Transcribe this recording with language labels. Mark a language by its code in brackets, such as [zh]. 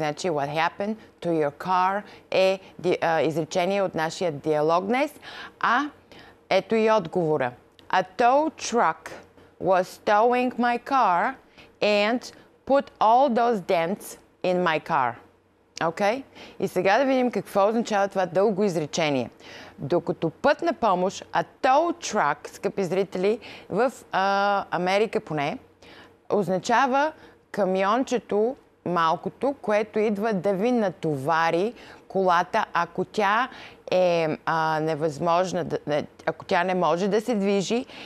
[bg] Значи, [en] what happened to your car [bg] е изречение от нашия диалог днес. А ето и отговора. [en] A tow truck was towing my car and put all those dents in my car. Okay? [bg] И сега да видим какво означава това дълго изречение. Докато път на помощ, a tow truck, скъпи зрители, в Америка поне, означава камиончето, малкото, което идва да ви натовари колата, ако тя е невъзможна, ако тя не може да се движи.